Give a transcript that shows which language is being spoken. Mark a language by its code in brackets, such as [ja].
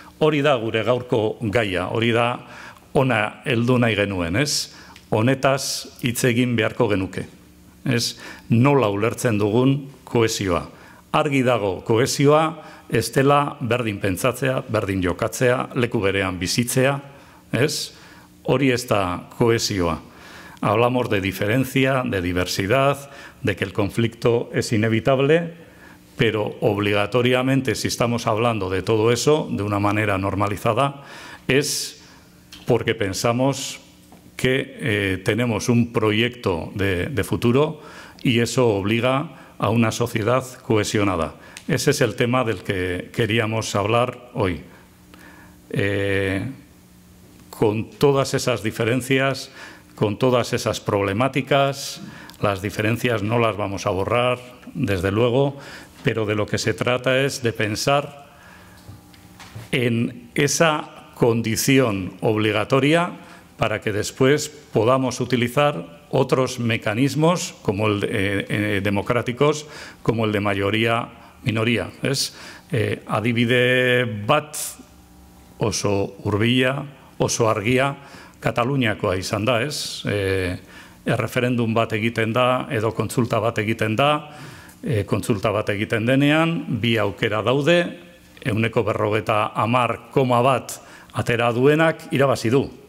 [eu] Hori da gure gaurko gaia, hori da ona heldu nahi genuen, ez? Honetaz hitz egin beharko genuke, ez? Nola ulertzen dugun kohesioa. Argi dago kohesioa, ez dela berdin pentsatzea, berdin jokatzea, leku berean bizitzea, ez? Hori ez da kohesioa. [es] Hablamos de diferencia, de diversidad, de que el conflicto es inevitable, pero obligatoriamente, si estamos hablando de todo eso de una manera normalizada, es porque pensamos que tenemos un proyecto de futuro y eso obliga a una sociedad cohesionada. Ese es el tema del que queríamos hablar hoy. Con todas esas diferencias, con todas esas problemáticas, las diferencias no las vamos a borrar, desde luego, pero de lo que se trata es de pensar en esa condición obligatoria para que después podamos utilizar otros mecanismos como el democráticos, como el de mayoría-minoría. [eu] Es adibide bat oso hurbila, oso argia, Kataluniakoa izan da, ez? Erreferendum bat egiten da, edo kontsulta bat egiten da, kontsulta bat egiten denean, bi aukera daude, 50.1% atera duenak irabazi du.